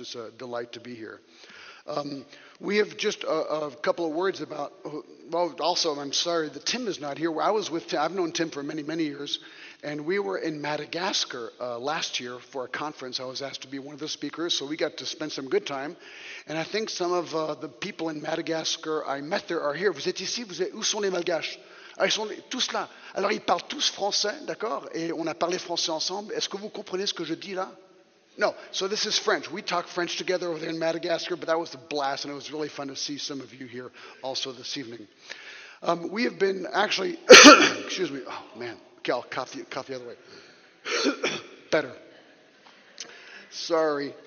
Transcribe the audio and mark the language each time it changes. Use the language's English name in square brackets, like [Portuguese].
[English] It's a delight to be here. We have just a couple of words about, well, also, I'm sorry that Tim is not here. I was with Tim. I've known Tim for many, many years, and we were in Madagascar last year for a conference. I was asked to be one of the speakers, so we got to spend some good time, and I think some of the people in Madagascar I met there are here. [French] Vous êtes ici? Vous êtes, où sont les Malgaches? Ils sont tous là. Alors, ils parlent tous français, d'accord? Et on a parlé français ensemble. Est-ce que vous comprenez ce que je dis là? [English] No, so this is French. We talk French together over there in Madagascar, but that was a blast, and it was really fun to see some of you here also this evening. We have been actually, excuse me, oh man, okay, I'll cough the other way. Better. Sorry.